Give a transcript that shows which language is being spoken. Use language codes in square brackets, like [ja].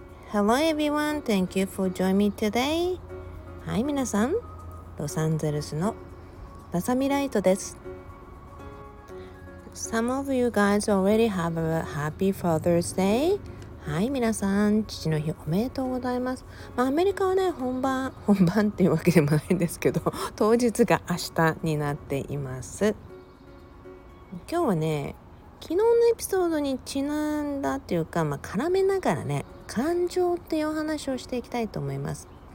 [en] Hello everyone, thank you for joining me today. [ja] はい、皆さん、ロサンゼルスのバサミライトです。 [en] Some of you guys already have a happy Father's Day. [ja] はい、皆さん、父の日おめでとうございます。まあ、アメリカはね、本番っていうわけでもないんですけど、当日が明日になっています。今日はね、昨日のエピソードにちなんだっていうか、まあ、絡めながらね、感情っていうお話をしていきたいと思います。